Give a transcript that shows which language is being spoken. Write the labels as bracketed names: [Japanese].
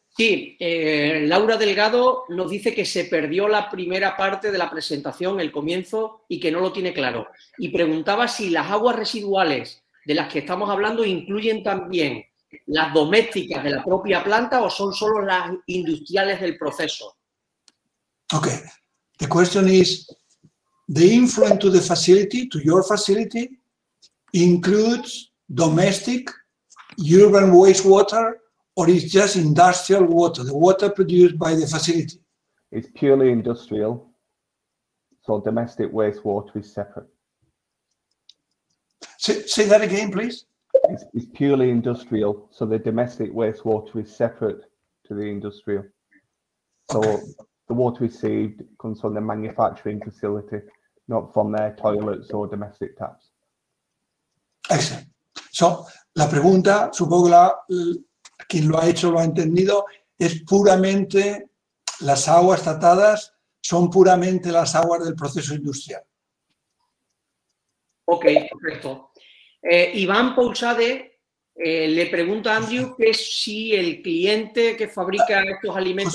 [Spanish] Sí, Laura Delgado nos dice que se perdió la primera parte de la presentación, el comienzo, y que no lo tiene claro. Y preguntaba si las aguas residuales de las que estamos hablando incluyen también las domésticas de la propia planta o son solo las industriales del proceso. [English] Okay. The question is, the influent to the facility, to your facility, includes domestic urban wastewater, or is just industrial water, the water produced by the facility? It's purely industrial, so domestic wastewater is separate. Say that again, please. It's purely industrial, so the domestic wastewater is separate to the industrial. So okay. The water received comes from the manufacturing facility, not from their toilets or domestic taps. Excellent. [Spanish] So, la pregunta, supongo la quien lo ha hecho lo ha entendido, es puramente las aguas tratadas, son puramente las aguas del proceso industrial. Ok, perfecto. Iván Pousade le pregunta a Andrew que si el cliente que fabrica estos alimentos...